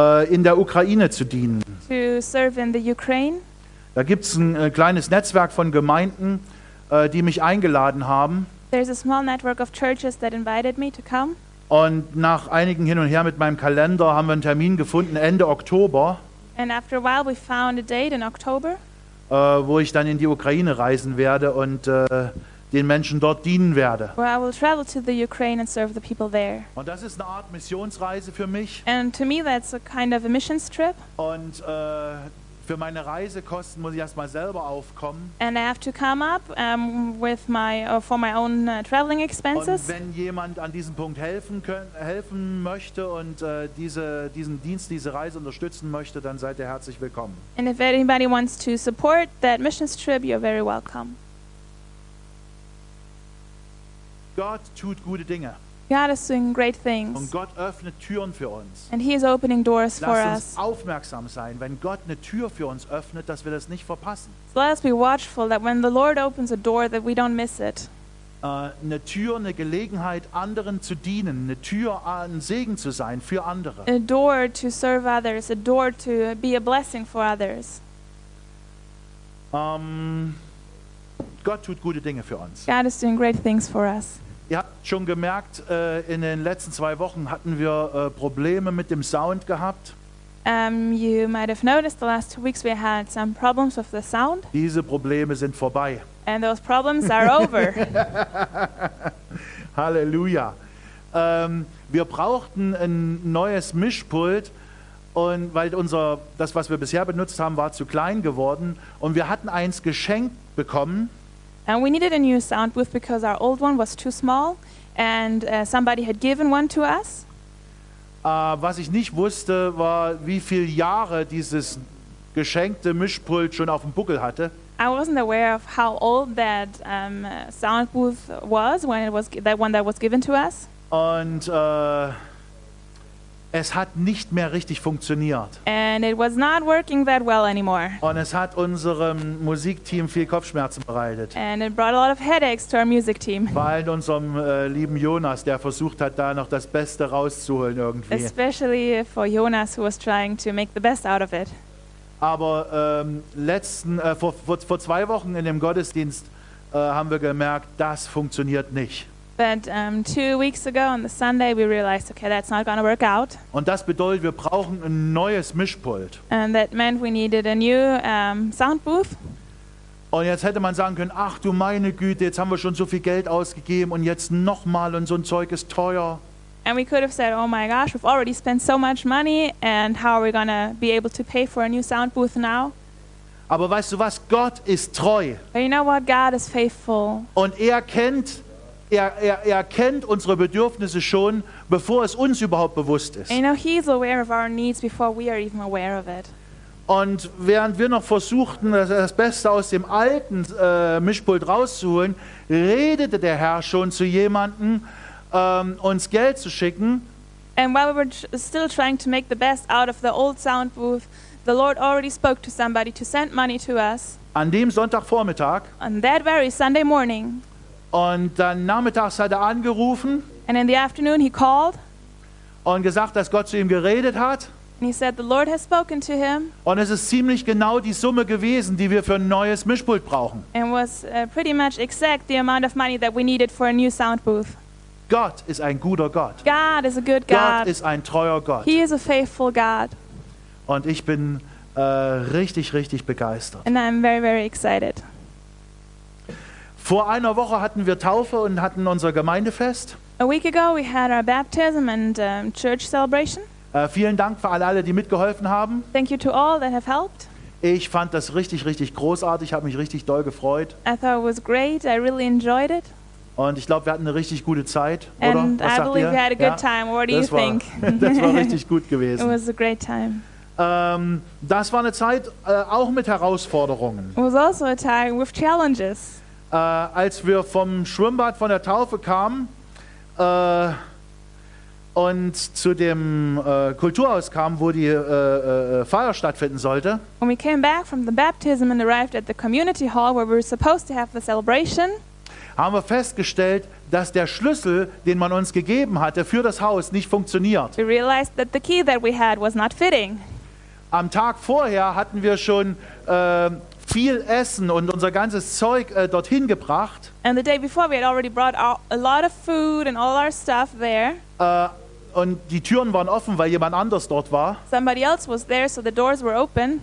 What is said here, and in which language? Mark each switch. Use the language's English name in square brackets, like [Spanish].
[German] In der Ukraine zu dienen. [English] To serve in the Ukraine. [German] Da gibt es ein kleines Netzwerk von Gemeinden, die mich eingeladen haben. [English] There's a small network of churches that invited me to come. [German] Und nach einigen Hin und Her mit meinem Kalender haben wir einen Termin gefunden, Ende Oktober. [English] And after a while we found a date in October. [German] Wo ich dann in die Ukraine reisen werde und den Menschen dort dienen werde. [English] Where I will travel to the Ukraine and serve the people there. [German] Und das ist eine Art Missionsreise für mich. [English] And to me that's a kind of a missions trip. [German] Und für meine Reisekosten muss ich erstmal selber aufkommen. [English] And I have to come up with my for my own traveling expenses. [German] Und wenn jemand an diesem Punkt helfen möchte und diese Reise unterstützen möchte, dann seid ihr herzlich willkommen. [English] And if anybody wants to support that missions trip, you're very welcome. [German] Gott tut gute Dinge. [English] God is doing great things. [German] Und Gott öffnet Türen für uns. [English] And he is opening doors for us. [German] Lass uns aufmerksam sein, wenn Gott eine Tür für uns öffnet, dass wir das nicht verpassen. [English] So let us be watchful that when the Lord opens a door that we don't miss it. [German] Eine Tür, eine Gelegenheit, anderen zu dienen, eine Tür, ein Segen zu sein für andere. [English] A door to serve others, a door to be a blessing for others. [German] Gott tut gute Dinge für uns. [English] God is doing great things for us. [German] Ihr habt schon gemerkt, in den letzten zwei Wochen hatten wir Probleme mit dem Sound gehabt. [English] You might have noticed the last 2 weeks we had some problems with the sound. [German] Diese Probleme sind vorbei. [English] And those problems are over. [German] Halleluja. Wir brauchten ein neues Mischpult. Und weil das, was wir bisher benutzt haben, war zu klein geworden. Und wir hatten eins geschenkt bekommen. [English] And we needed a new sound booth because our old one was too small and somebody had given one to us. [German] Was ich nicht wusste, war, wie viele Jahre dieses geschenkte Mischpult schon auf dem Buckel hatte. [English] I wasn't aware of how old that sound booth was when it was that one that was given to us. [German] Und es hat nicht mehr richtig funktioniert. [English] And it was not working that well anymore. [German] Und es hat unserem Musikteam viel Kopfschmerzen bereitet. [English] And it brought a lot of headaches to our music team. [German] Vor allem unserem lieben Jonas, der versucht hat, da noch das Beste rauszuholen irgendwie. [English] Especially for Jonas, who was trying to make the best out of it. [German] Aber vor 2 Wochen in dem Gottesdienst haben wir gemerkt, das funktioniert nicht. [English] But 2 weeks ago on the Sunday we realized, okay, that's not going to work out. [German] Und das bedeutet, wir brauchen ein neues Mischpult. [English] And that meant we needed a new sound booth. [German] Und jetzt hätte man sagen können, ach du meine Güte, jetzt haben wir schon so viel Geld ausgegeben und jetzt nochmal und so ein Zeug ist teuer. [English] And we could have said, oh my gosh, we've already spent so much money and how are we going to be able to pay for a new sound booth now? [German] Aber weißt du was, Gott ist treu. [English] But you know what, God is faithful. [German] Und er kennt unsere Bedürfnisse schon, bevor es uns überhaupt bewusst ist. [English] You know, he's aware of our needs before we are even aware of it. [German] Und während wir noch versuchten, das Beste aus dem alten Mischpult rauszuholen, redete der Herr schon zu jemandem, uns Geld zu schicken. [English] And while we were still trying to make the best out of the old sound booth, the Lord already spoke to somebody to send money to us. [German] An dem Sonntagvormittag. [English] On that very Sunday morning. [German] Und dann nachmittags hat er angerufen. [English] And in the afternoon he called. [German] Und gesagt, dass Gott zu ihm geredet hat. [English] And he said the Lord has spoken to him. [German] Und es ist ziemlich genau die Summe gewesen, die wir für ein neues Mischpult brauchen. [English] And was pretty much exact the amount of money that we needed for a new sound booth. [German] Gott ist ein guter Gott. [English] God is a good God. [German] Gott ist ein treuer Gott. [English] He is a faithful God. [German] Und ich bin richtig, richtig begeistert. [English] And I'm very, very excited. [German] Vor einer Woche hatten wir Taufe und hatten unser Gemeindefest. [English] A week ago we had our baptism and church celebration. [German] Vielen Dank für alle, die mitgeholfen haben. [English] Thank you to all that have helped. [German] Ich fand das richtig, richtig großartig. Ich habe mich richtig doll gefreut. [English] I thought it was great. I really enjoyed it. [German] Und ich glaube, wir hatten eine richtig gute Zeit, oder? [English] And [German] was sagt [English] I believe [German] ihr? [English] We had a good time. What do [German] das [English] you [German] war, [English] think? [German] Das war richtig gut gewesen. [English] It was a great time. [German] Das war eine Zeit auch mit Herausforderungen. [English] It was also a time with challenges. [German] Als wir vom Schwimmbad von der Taufe kamen, und zu dem Kulturhaus kam, wo die Feier stattfinden sollte. [English] When we came back from the baptism and arrived at the community hall where we were supposed to have the celebration, [German] haben wir festgestellt, dass der Schlüssel, den man uns gegeben hatte für das Haus, nicht funktioniert. [English] We realized that the key that we had was not fitting. [German] Am Tag vorher hatten wir schon viel Essen und unser ganzes Zeug dorthin gebracht. [English] And the day before we had already brought a lot of food and all our stuff there. [German] Und die Türen waren offen, weil jemand anders dort war. [English] Somebody else was there, so the doors were open.